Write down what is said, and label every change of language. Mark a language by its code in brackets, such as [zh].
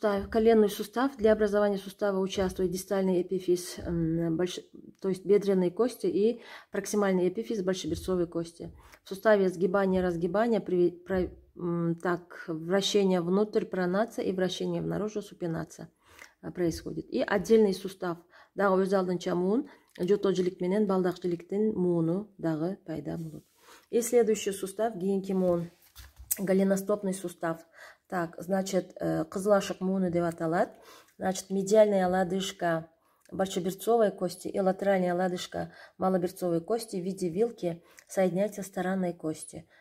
[ru] Коленный сустав для образования сустава участвует дистальный эпифиз, то есть бедренной кости и проксимальный эпифиз большеберцовой кости. В суставе сгибание разгибание, так вращение внутрь пронация и вращение внаружу супинация происходит. И отдельный сустав [ky] дагы өз алдынча муун, жотожиликтин менен балдакчиликтин мууну дагы пайда болот. [ru] И следующий сустав [ky] кийинки муун, [ru] голеностопный сустав. Так, значит, [ky] кызылашык мууну деп аталат. [ru] Значит, медиальная лодыжка большеберцовой кости и латеральная лодыжка малоберцовой кости в виде вилки соединяются с таранной кости.